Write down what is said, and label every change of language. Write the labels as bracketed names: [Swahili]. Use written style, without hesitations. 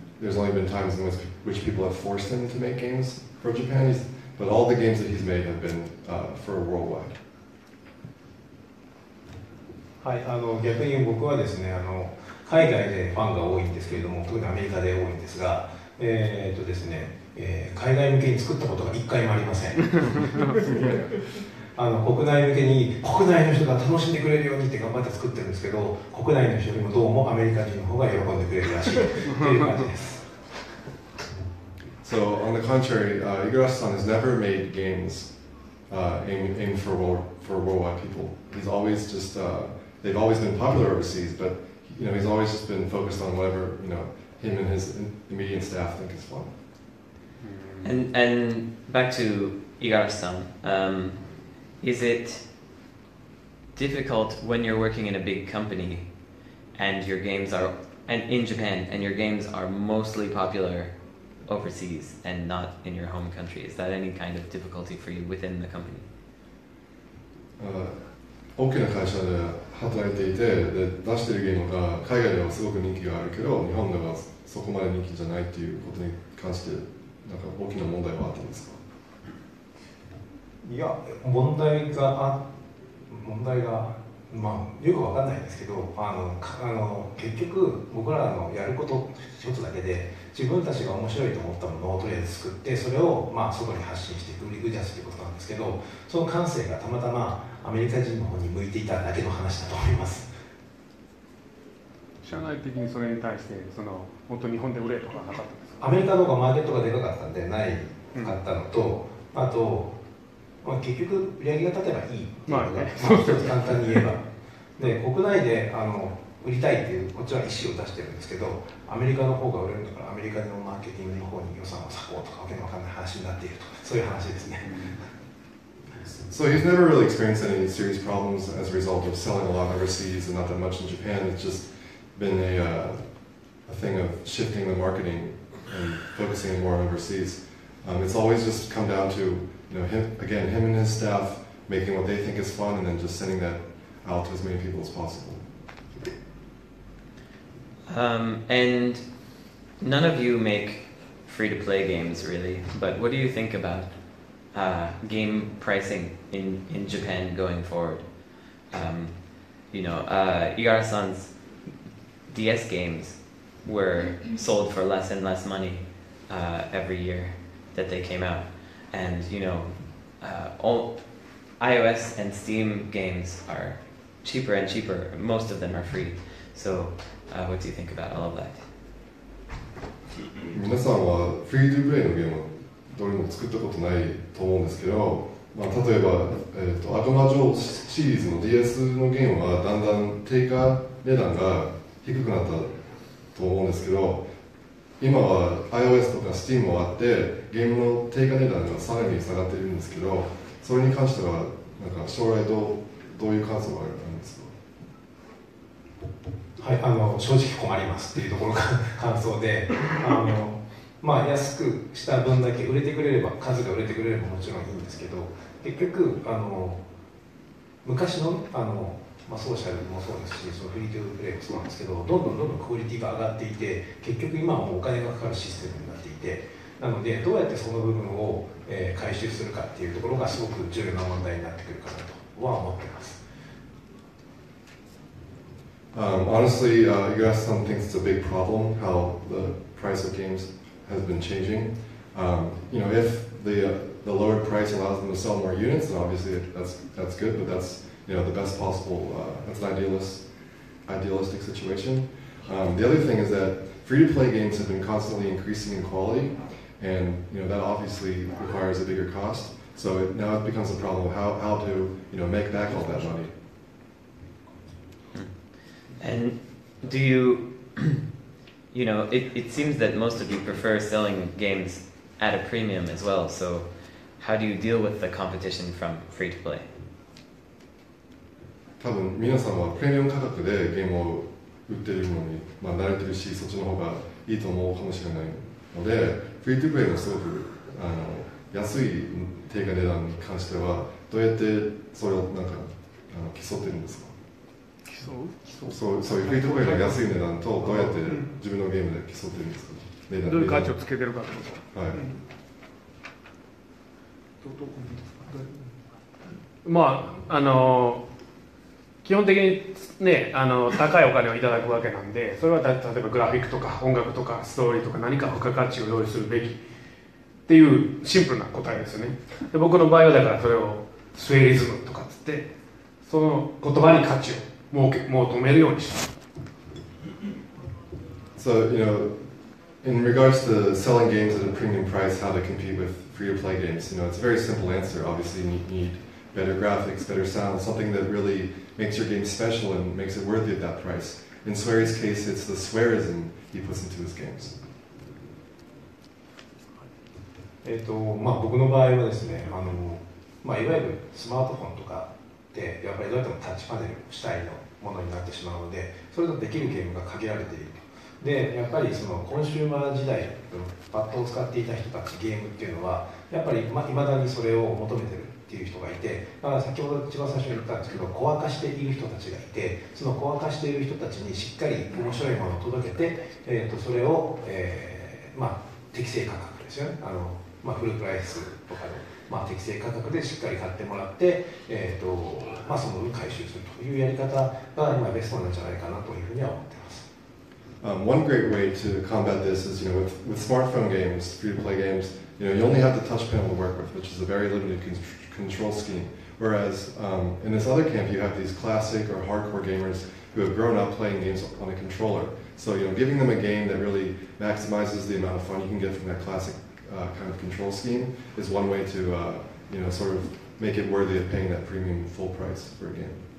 [English] There's only been times in which people have forced him to make games for Japan, but all the games that he's made have been for worldwide. [Japanese] はい、逆に僕はですね、海外でファンが多いんですけれども、特にアメリカで多いんですが、ですね、海外向けに作ったことが一回もありません。国内向けに、国内の人が楽しんでくれるようにって頑張って作ってるんですけど、国内の人にもどうもアメリカ人の方が喜んでくれるらしいという感じです。 [English] So, on the contrary, Igarashi-san has never made games for worldwide people. He's always just, they've always been popular overseas, but you know, he's always just been focused on whatever you know, him and his immediate staff think is fun. And back to Igarashi-san, is it difficult when you're working in a big company and your games are, and in Japan, and your games are mostly popular overseas and not in your home country? Is that any kind of difficulty for you within the company? [Japanese] 大きな会社で働いていて、で出しているゲームが海外ではすごく人気があるけど、日本ではそこまで人気じゃないっていうことに関して、なんか大きな問題はあったんですか？いや、問題が、問題が、まあ、よくわかんないんですけど、結局、僕らのやること一つだけで、自分たちが面白いと思ったものをとりあえず作って、それを、まあ、外に発信していく、売り出すっていうことなんですけど、その感性がたまたま、アメリカ人の方に向いていただけの話だと思います。社内的にそれに対して、その、本当に日本で売れとかなかったんですか？アメリカの方がマーケットがでかかったんで、ないかったのと、うん、あと、まあ、結局売り上げが立てばいいっていうのが、まあね、まあ、一つ簡単に言えばで国内で売りたいっていうこっちは意思を出してるんですけどアメリカの方が売れるんだからアメリカのマーケティングの方に予算を割こうとかわけのわかんない話になっているとそういう話ですね。 [English] So he's never really experienced any serious problems as a result of selling a lot overseas and not that much in Japan. It's just been a thing of shifting the marketing and focusing more overseas. It's always just come down toYou know, him and his staff making what they think is fun and then just sending that out to as many people as possible. And none of you make free-to-play games, really, but what do you think about game pricing in Japan going forward? Igarashi-san's DS games were sold for less and less money every year that they came out. And you know, all iOS and Steam games are cheaper and cheaper. Most of them are free. So, what do you think about all of that? [Japanese] 皆さんはフリートゥープレイのゲームはどれも作ったことないと思うんですけど、まあ、例えば、アドマジョーシリーズの DS のゲームはだんだん定価値段が低くなったと思うんですけど。今は iOS とか Steam もあってゲームの定価値段がさらに下がっているんですけどそれに関してはなんか将来どういう感想があるんですか？はい、正直困りますっていうところが感想でまあ安くした分だけ売れてくれれば数が売れてくれればもちろんいいんですけど結局昔のまあ、ソーシャルもそうですし、そのフリートゥープレイもそうなんですけど、どんどんどんどんクオリティが上がっていて、結局今はもうお金がかかるシステムになっていて、なので、どうやってその部分を、回収するかっていうところがすごく重要な問題になってくるかなとは思っています。 [English] Honestly, Igarashi-san thinks it's a big problem how the price of games has been changing. You know, if the lower price allows them to sell more units, then obviously that's good, but that's, you know, the best possible, that's an idealistic situation. The other thing is that free-to-play games have been constantly increasing in quality, and you know that obviously requires a bigger cost. So it, now it becomes a problem of how to you know make back all that money. And do you, you know, it seems that most of you prefer selling games at a premium as well. So how do you deal with the competition from free-to-play? [Japanese] 多分皆さんはプレミアム価格でゲームを売ってるのに、まあ、慣れてるしそっちの方がいいと思うかもしれないのでフリートゥプレイのすごくあの安い定価値段に関してはどうやってそれをなんかあの競ってるんですか競う？そういうフリートゥプレイの安い値段とどうやって自分のゲームで競ってるんですか値段どういう価値をつけてるかってこと、はいうん、どう思うんですかまああの基本的に、ね、あの高いお金をいただくわけなんでそれは例えばグラフィックとか音楽とかストーリーとか何か付加価値を用意するべきっていうシンプルな答えですよねで僕の場合はだからそれをスウェリズムとかつってその言葉に価値を求めるようにした [English] So, you know, in regards to selling games at a premium price, how to compete with free-to-play games, you know, it's a very simple answer. Obviously, you need better graphics, better sound, something that reallyMakes your game special and makes it worthy of that price. In Swery's case, it's the swearism he puts into his games. [Japanese] まあ、僕の場合はですね、あの、まあ、いわゆるスマートフォンとかでやっぱりどうやってもタッチパネル主体のものになってしまうので、それとできるゲームが限られていると。で、やっぱりそのコンシューマー時代のパッドを使っていた人たちゲームっていうのは、やっぱりまあ、未だにそれを求めてる。っていう人がいて、だから先ほど一番最初に言ったんですけど、小分化している人たちがいて、その小分化している人たちにしっかり面白いものを届けて、それを、まあ、適正価格ですよね。あの、まあ、フルプライスとかで、まあ、適正価格でしっかり買ってもらって、まあ、その分回収するというやり方が今ベストなんじゃないかなというふうには思ってます。 [English] One great way to combat this is, you know, with smartphone games, free-to-play games, you know, you only have the touch panel to work with, which is a very limited control scheme. Whereas in this other camp, you have these classic or hardcore gamers who have grown up playing games on a controller. So, you know, giving them a game that really maximizes the amount of fun you can get from that classic kind of control scheme is one way to, you know, sort of make it worthy of paying that premium full price for a game.